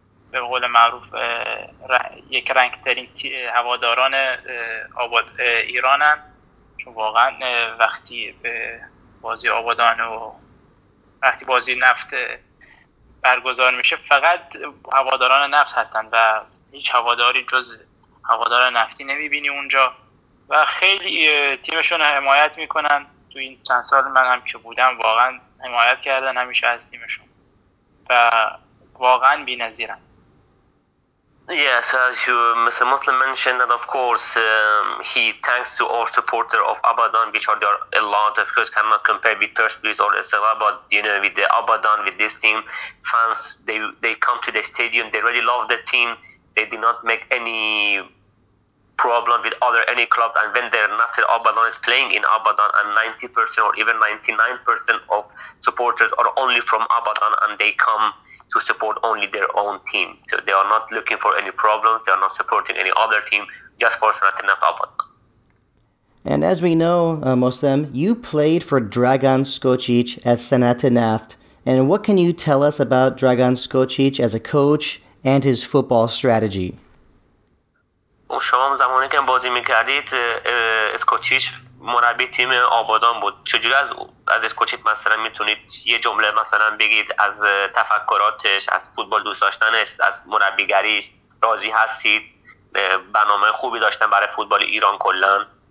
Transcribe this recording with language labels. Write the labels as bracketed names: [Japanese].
[Persian] به قول معروف یک رنگ ترین هواداران آباد ایرانن، چون واقعا وقتی به بازی آبادان و وقتی بازی نفت برگزار میشه فقط هواداران نفت هستن و هیچ هواداری جز هوادار نفتی نمیبینی اونجا و خیلی تیمشون حمایت میکنن. تو این چند سال من هم که بودم واقعا حمایت کردن همیشه از تیمشون و واقعا بی نظیرن. [English] Yes, as you, Mr. Muslim mentioned, and of course, he thanks to all supporters of Abadan, which are there a lot, of course, cannot compare with Persepolis or Esteghlal, but, you know, with the Abadan, with this team, fans, they come to the stadium, they really love the team, they did not make any problem with other any club, and when they're not at Abadan is playing in Abadan, and 90% or even 99% of supporters are only from Abadan, and they come to support only their own team. So they are not looking for any problems, they are not supporting any other team, just for Sanat-e Naft Abadan. And as we know, Muslim, you played for Dragan Skocic at Sanat-e Naft, and what can you tell us about Dragan Skocic as a coach and his football strategy? [Persian] شما زمانی که بازی میکردید اسکوچیش مربی تیم آبادان بود، چجوری از اسکوچیت مثلا میتونید یه جمله مثلا بگید از تفکراتش، از فوتبال دوست داشتنش، از مربیگریش راضی هستید؟ برنامه خوبی داشتن برای فوتبال ایران کلن؟